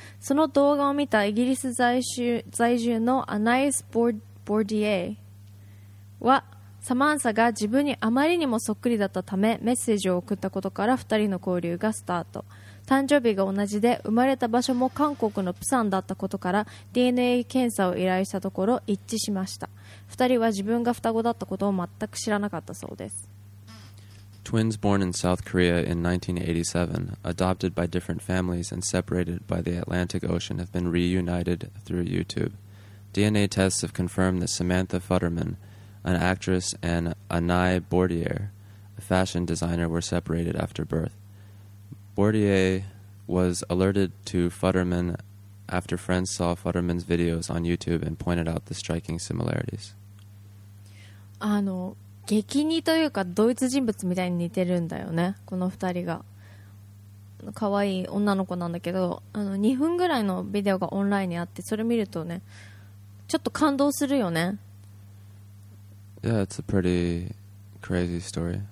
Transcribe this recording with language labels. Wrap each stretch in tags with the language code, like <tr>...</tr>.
<ja>その動画を見たイギリス在住のアナイス・ボーディエはサマンサが自分にあまりにもそっくりだったためメッセージを送ったことから二人の交流がスタート。誕生日が同じで生まれた場所も韓国のプサンだったことから DNA 検査を依頼したところ一致しました。二人は自分が双子だったことを全く知らなかったそうです。</ja> <en>Twins born in South Korea in 1987, adopted by different families and separated by the Atlantic Ocean have been reunited through YouTube. DNA tests have confirmed that Samantha Futterman,an actress, and Anai Bordier, a fashion designer, were separated after birth. Bordier was alerted to Futterman after friends saw Futterman's videos on YouTube and pointed out the striking similarities.</en> <ja>激似というか同一人物みたいに似てるんだよね、この二人が。可愛い女の子なんだけど、2分ぐらいのビデオがオンラインにあって、それ見るとね、ちょっと感動するよね。</ja> <en>Yeah, it's a pretty crazy story.</en>